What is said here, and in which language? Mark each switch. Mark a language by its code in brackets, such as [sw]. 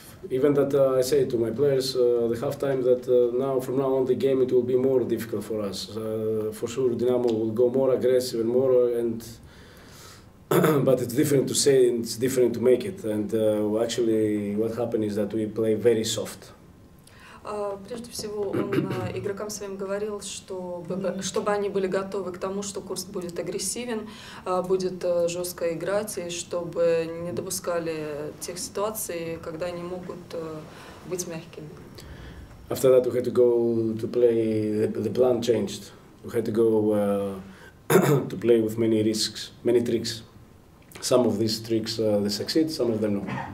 [en] Even that I say to my players the halftime that now from now on the game it will be more difficult for us. For sure Dynamo will go more aggressive and more and but it's different to say and it's different to make it. And actually what happened is that we play very soft. [ru] Прежде всего, он игрокам своим говорил, чтобы они были готовы к тому, что Курск будет агрессивен, будет жестко играть, и чтобы не допускали тех ситуаций, когда они могут быть мягкими. [en] After that, we had to go to play. The plan changed. We had to go to play with many risks, many tricks. Some of these tricks they succeed, some of them no.